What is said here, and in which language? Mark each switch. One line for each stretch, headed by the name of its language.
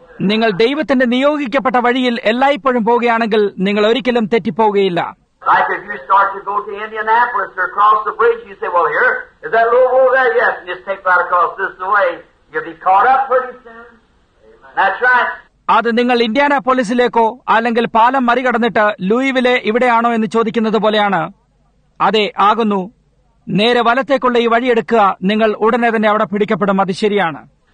Malayalam: നിങ്ങൾ ദൈവത്തിന്റെ നിയോഗിക്കപ്പെട്ട വഴിയിൽ എല്ലായ്പ്പോഴും പോകുകയാണെങ്കിൽ നിങ്ങൾ ഒരിക്കലും തെറ്റിപ്പോകുകയില്ല.
English: Like if you start to go to Indianapolis or cross the bridge, you say, well, here, is that little hole there? Yes, and just take right across this way. You'll be caught up pretty soon. Amen. That's right.
Malayalam: അത് നിങ്ങൾ ഇന്ത്യാനാപോളിസിലേക്കോ അല്ലെങ്കിൽ പാലം മറികടന്നിട്ട് ലൂയിവിലെ ഇവിടെയാണോ എന്ന് ചോദിക്കുന്നത് പോലെയാണ്. അതെ, ആകുന്നു. നേരെ വലത്തേക്കുള്ള ഈ വഴിയെടുക്കുക, നിങ്ങൾ ഉടനെ തന്നെ അവിടെ പിടിക്കപ്പെടും. അത് ശരിയാണ്.